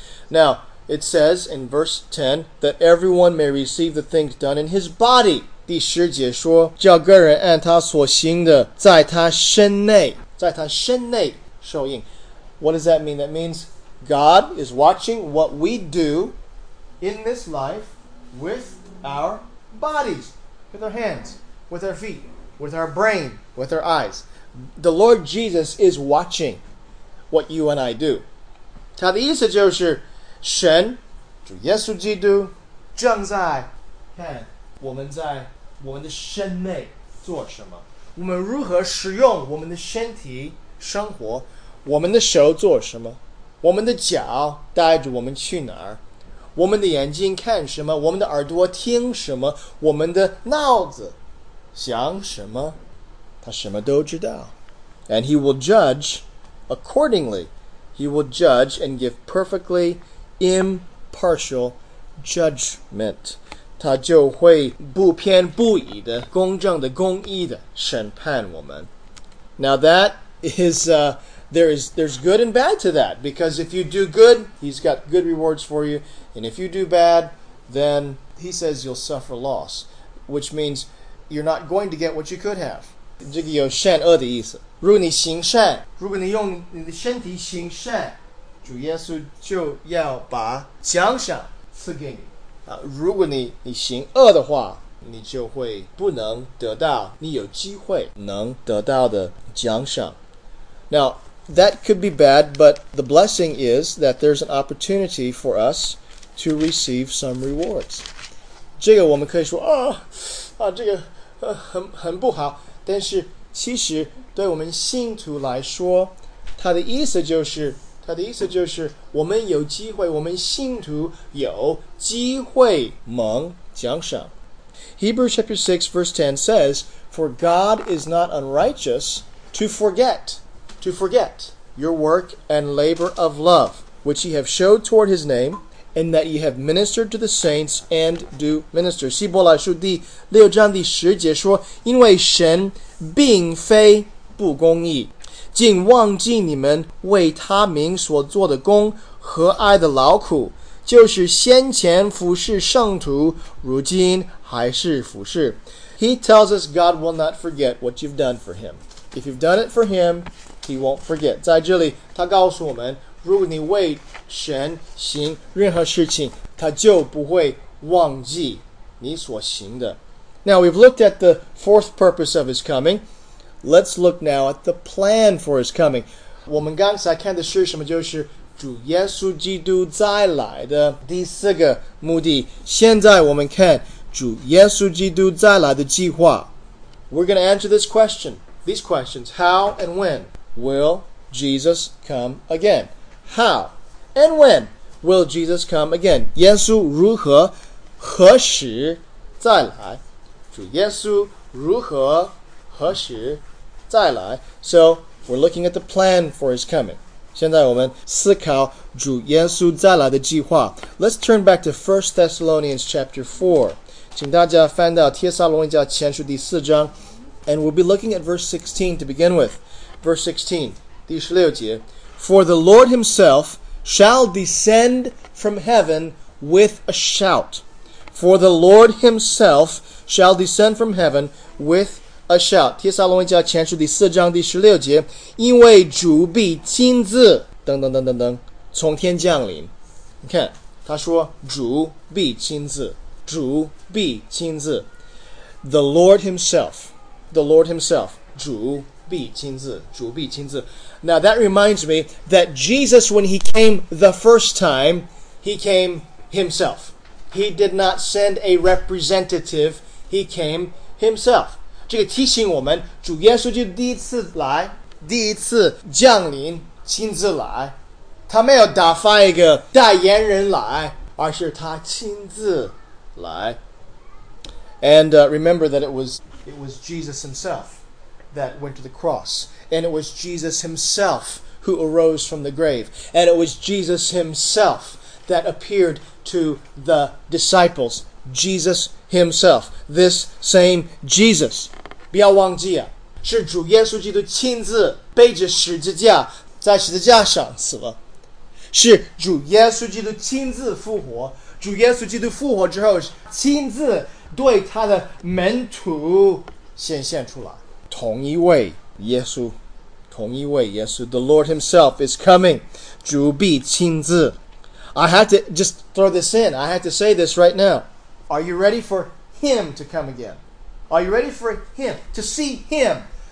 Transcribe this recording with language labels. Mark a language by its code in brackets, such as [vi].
[en] Now, it says in verse 10, that everyone may receive the things done in his body. [zh] 第十节说，叫个人按他所行的，在他身内，在他身内受应。 [en] What does that mean? That means God is watching what we do in this life with our bodies, with our hands, with our feet, with our brain, with our eyes. The Lord Jesus is watching what you and I do. [zh] 他的意思就是神主耶稣基督正在看我们在我们的身内做什么，我们如何使用我们的身体生活，我们的手做什么，我们的脚带着我们去哪儿，我们的眼睛看什么，我们的耳朵听什么，我们的脑子想什么，他什么都知道。 [en] And he will judge accordingly. He will judge and give perfectly impartial judgment. [zh] 他就会不偏不倚的公正的公义的审判我们。 [en] Now that is,there's good and bad to that. Because if you do good, he's got good rewards for you. And if you do bad, then he says you'll suffer loss. Which means you're not going to get what you could have. [zh] 这个有善恶的意思。如果你行善，如果你用你的身体行善，主耶稣就要把奖赏赐给你。如果你行恶的话，你就会不能得到你有机会能得到的奖赏。 [en] Now, that could be bad, but the blessing is that there's an opportunity for us to receive some rewards. [zh] 这个我们可以说，这个很不好。但是其实对我们信徒来说，他的意思就是我们有机会，我们信徒有机会蒙奖赏。 [en] Hebrews chapter 6, verse 10 says, For God is not unrighteous to forget your work and labor of love, which ye have showed toward his name, and that ye have ministered to the saints and do minister. [zh] 希伯来书第六章第十节说，因为神并非不公义，竟忘记你们为他名所做的功和爱的劳苦，就是先前服侍圣徒，如今还是服侍。 [en] He tells us God will not forget what you've done for him. If you've done it for him, he won't forget. [zh] 在这里，他告诉我们，如果你为神行任何事情，他就不会忘记你所行的。 [en] Now we've looked at the fourth purpose of his coming. Let's look now at the plan for his coming. [zh] 我们刚才看的是什么？就是主耶稣基督再来的第四个目的。现在我们看主耶稣基督再来的计划。 [en] We're going to answer this question. These questions. How and when will Jesus come again? How and when will Jesus come again? [zh] 耶稣如何何时再来？主耶稣如何何时再来？ [en] So we're looking at the plan for his coming. [zh] 现在我们思考主耶稣再来的计划。 [en] Let's turn back to 1 Thessalonians chapter 4. [zh] 请大家翻到帖撒罗尼迦前书第四章。 [en] And we'll be looking at verse 16 to begin with. Verse 16, [zh] 第十六节。 [en] For the Lord himself shall descend from heaven with a shout. For the Lord himself shall descend from heaven with a shout. [zh] 帖撒罗尼迦前书第四章第十六节，因为主必亲自噔噔噔噔噔从天降临。你看，他说主必亲自，主必亲自。 The Lord himself, the Lord himself, 主必亲自，主必亲自。 [en] Now that reminds me that Jesus, when he came the first time, he came himself. He did not send a representative, he came himself. [zh] 这个提醒我们，主耶稣就第一次来，第一次降临，亲自来。他没有打发一个代言人来，而是他亲自来。 [en] And remember that it was Jesus himself that went to the cross. And it was Jesus himself who arose from the grave. And it was Jesus himself that appeared to the disciples. Jesus himself. This same Jesus. [zh] 不要忘记啊，是主耶稣基督亲自背着十字架在十字架上死了。是主耶稣基督亲自复活。主耶稣基督复活之后亲自对他的门徒显现出来。同一位。耶稣，同一位耶稣 [en] The Lord himself is coming [zh] 主必亲自 [en] I had to just throw this in I had to say this right now Are you ready for him to come again? Are you ready for him to see him?